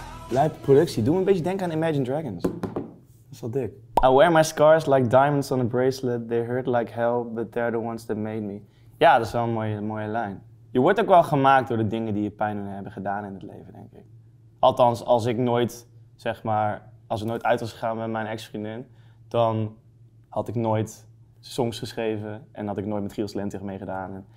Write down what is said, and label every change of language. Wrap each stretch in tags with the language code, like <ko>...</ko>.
<nl>Lijpe productie. Doe me een beetje denken aan Imagine Dragons. Dat is wel dik.</nl> <en>I wear my scars like diamonds on a bracelet. They hurt like hell, but they're the ones that made me.</en> <nl>Ja, dat is wel een mooie lijn. Je wordt ook wel gemaakt door de dingen die je pijn hebben gedaan in het leven, denk ik. Althans, als ik nooit, zeg maar, als ik nooit uit was gegaan met mijn ex-vriendin, dan had ik nooit songs geschreven en had ik nooit met Giels Lentig meegedaan.</nl>